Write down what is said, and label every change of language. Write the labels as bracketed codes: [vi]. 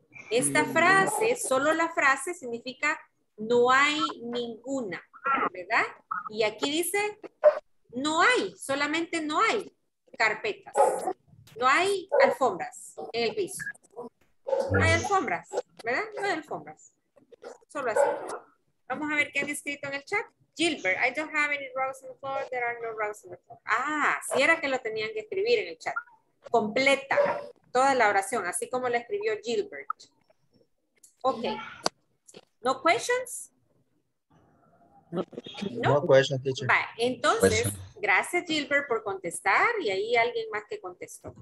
[es] Esta frase, solo la frase significa no hay ninguna, ¿verdad? Y aquí dice, no hay, solamente no hay carpetas. No hay alfombras en el piso. No hay alfombras, ¿verdad? No hay alfombras. Solo así. Vamos a ver qué han escrito en el chat. [en] Gilbert, I don't have any rugs on the floor. There are no rugs on the floor. [es] Ah, sí era que lo tenían que escribir en el chat. Completa toda la oración, así como la escribió Gilbert. [en] Ok. No questions. No, no questions, teacher. [es] Va, entonces, [en] question. [es] Gracias Gilbert por contestar y ahí alguien más que contestó.